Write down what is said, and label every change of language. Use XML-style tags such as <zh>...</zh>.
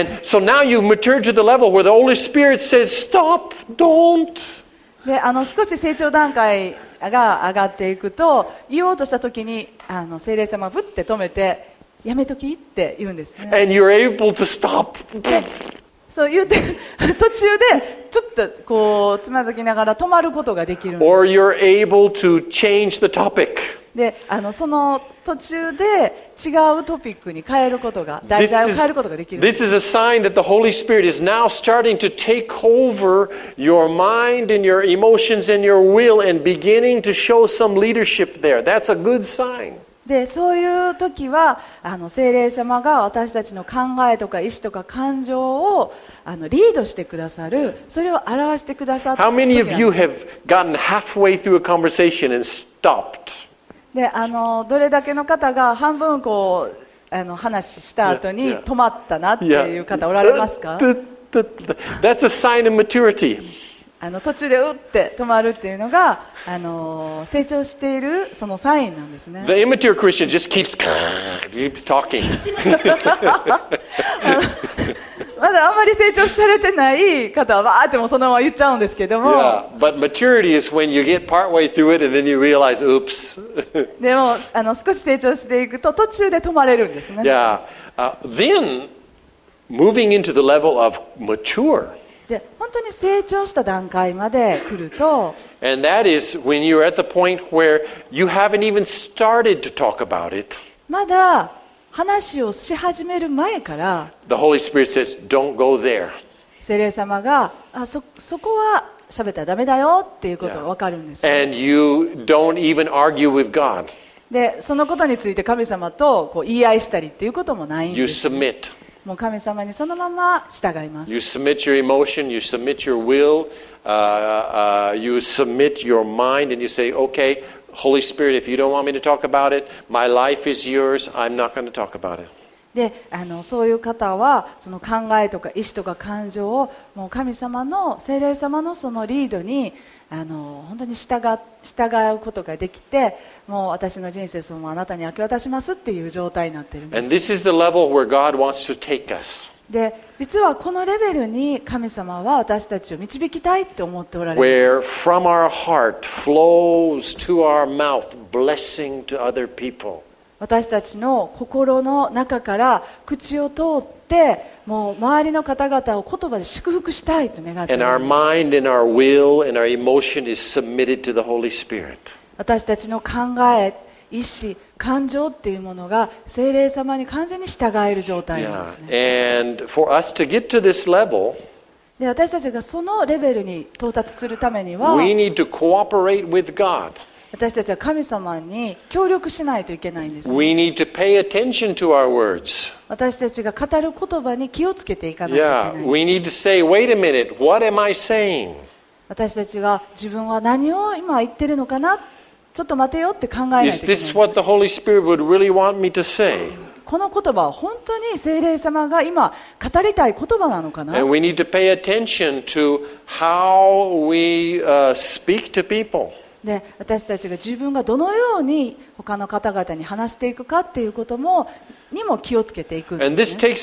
<en>And so now you've matured to the level where the Holy Spirit says, stop, don't.</en> <ja>で少し成長段階が上がっていくと、言おうとしたときに聖霊様がぶって止めて、やめときって言うんですね。</ja> <en>And you're able to stop.</en> <ja>そう言って途中でちょっとこうつまずきながら止まることができるんです。</ja> <en>Or you're able to change the topic.</en> <ja>でその途中で違うトピックに変えることが、題材を変えることができるんです</ja> <en>This is a sign that the Holy Spirit is now starting to take over your mind and your emotions and your will and beginning to show some leadership there. That's a good sign.</en> <ja>で、そういう時は聖霊様が私たちの考えとか意思とか感情をリードしてくださる、それを表してくださった時なんです。</ja> <en>How many of you have gotten halfway through a conversation and stopped?</en> <ja>でどれだけの方が半分こう話した後に止まったなっていう方おられますか？</ja> <en>That's a sign of maturity.</en> <ja>途中でうって止まるっていうのが成長しているそのサインなんですね。</ja> <en>The immature Christian just keeps talking.</en> <ja>まだあんまり成長されてない方はわーってもそのまま言っちゃうんですけども。</ja> <en>Yeah, but maturity is when you get partway through it and then you realize, oops.</en> <ja>でも少し成長していくと途中で止まれるんですね。</ja> <en>Yeah, then moving into the level of mature.</en> <ja>で本当に成長した段階まで来ると。</ja> <en>And that is when you're at the point where you haven't even started to talk about it.</en> <ja>まだ話をし始める前から</ja> <en>The Holy Spirit says, don't go there.</en> <ja>聖霊様が そこは喋ったらダメだよっていうことが分かるんです、</ja> <en>yeah. And you don't even argue with God.</en> <ja>でそのことについて神様とこう言い合いしたりっていうこともないんです</ja> <en>You submit.</en> <ja>もう神様にそのまま従います</ja> <en>You submit your emotion, you submit your will, you submit your mind and you say, okay,Holy Spirit, if you don't want me to talk about it, my life is yours. I'm not going to talk about it.</en> <ja>で、そういう方はその考えとか意思とか感情をもう神様の聖霊様のそのリードに本当に従うことができて、もう私の人生そのあなたに明け渡しますっていう状態になってるんです。</ja> <en>And this is the level where God wants to take us.</en> <ja>で、実はこのレベルに神様は私たちを導きたいって思っておられます。</ja> <en>Where from our heart flows to our mouth blessing to other people.</en> <ja>私たちの心の中から口を通ってもう周りの方々を言葉で祝福したいと願っています</ja> <en>And our mind and our will and our emotion is submitted to the Holy Spirit.</en> <ja>私たちの考え、意思、感情っていうものが聖霊様に完全に従える状態なんですね。</ja> <en>Yeah. And for us to get to this level,</en> <ja>で私たちがそのレベルに到達するためには</ja> <en>We need to cooperate with God.</en> <ja>私たちは神様に協力しないといけないんです、ね、</ja> <en>We need to pay attention to our words.</en> <ja>私たちが語る言葉に気をつけていかないといけないんです。</ja> <en>Yeah, we need to say, wait a minute, what am I saying?</en> <ja>私たちが自分は何を今言ってるのかな、ちょっと待てよって考えないといけない。</ja> <en>Is this what the Holy Spirit would really want me to say?</en> <ja>この言葉は本当に聖霊様が今語りたい言葉なのかな。</ja> <en>And we need to pay attention to how we speak to people.</en> <ja>で私たちが自分がどのように他の方々に話していくかっていうことも、にも気をつけていくんですね。</ja>